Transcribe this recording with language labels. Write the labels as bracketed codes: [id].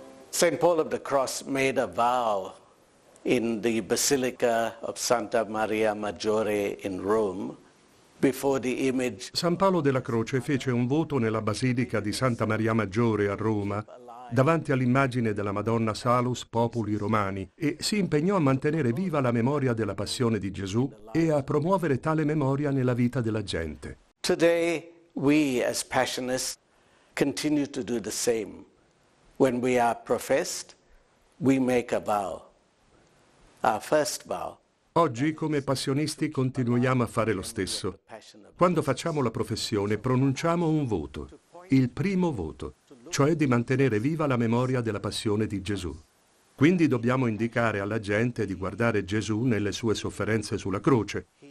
[en] Saint Paul of the Cross made a vow in the Basilica of Santa Maria Maggiore in Rome. [it] San Paolo della Croce fece un voto nella Basilica di Santa Maria Maggiore a Roma, davanti all'immagine della Madonna Salus Populi Romani, e si impegnò a mantenere viva la memoria della Passione di Gesù e a promuovere tale memoria nella vita della gente. [en] Today we as passionists continue to do the same. When we are professed, we make a vow, our first vow. [it] Oggi, come passionisti, continuiamo a fare lo stesso. Quando facciamo la professione, pronunciamo un voto, il primo voto, cioè di mantenere viva la memoria della Passione di Gesù. Quindi dobbiamo indicare alla gente di guardare Gesù nelle sue sofferenze sulla croce.